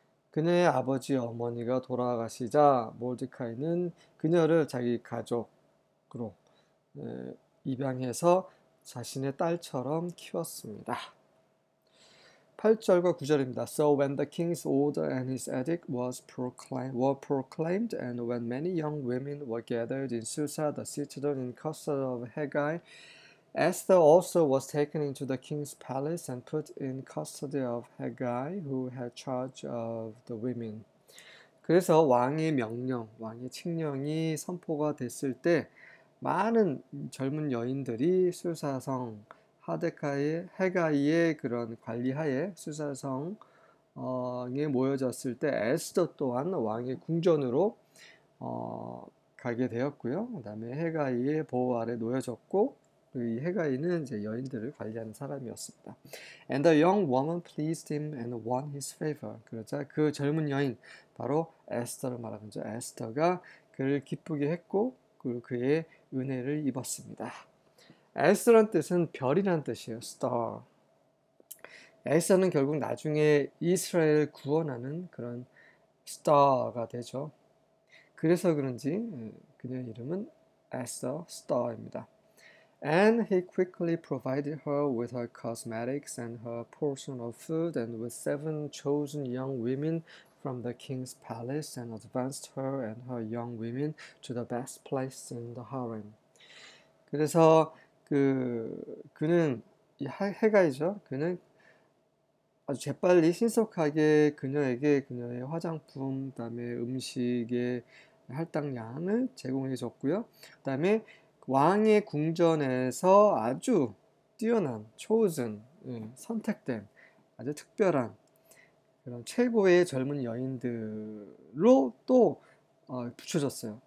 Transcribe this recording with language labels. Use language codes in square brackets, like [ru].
[ko] 그녀의 아버지 어머니가 돌아가시자 모르드카이는 그녀를 자기 가족으로 입양해서 자신의 딸처럼 키웠습니다. 8절과 9절입니다. [en] So when the king's order and his edict were proclaimed, and when many young women were gathered in Susa, the citadel in custody of Haggai, Esther also was taken into the king's palace and put in custody of Haggai, who had charge of the women. [ko] 그래서 왕의 명령, 왕의 칙령이 선포가 됐을 때 많은 젊은 여인들이 수사성 하가이의 그런 관리하에 수사성에 모여졌을 때 에스더 또한 왕의 궁전으로 가게 되었고요. 그 다음에 하가이의 보호 아래 놓여졌고 이 하가이는 이제 여인들을 관리하는 사람이었습니다. [en] And the young woman pleased him and won his favor. [ko] 그러자 그 젊은 여인 바로 에스더를 말하는 거죠. 에스더가 그를 기쁘게 했고 그리고 그의 은혜를 입었습니다. 에스라는 뜻은 별이란 뜻이에요. [en] star. [ko] 에스라는 결국 나중에 이스라엘을 구원하는 그런 star가 되죠. 그래서 그런지 그녀의 이름은 에스더 star입니다. [en] And he quickly provided her with her cosmetics and her portion of food and with seven chosen young women from the king's palace and advanced her and her young women to the best place in the harem. [ko] 그래서 그는 해가이죠. 그는 아주 재빨리 신속하게 그녀에게 그녀의 화장품, 그다음에 음식의 할당량을 제공해 줬고요. 그다음에 왕의 궁전에서 아주 뛰어난 chosen 선택된 아주 특별한 그런 최고의 젊은 여인들로 또 붙여줬어요.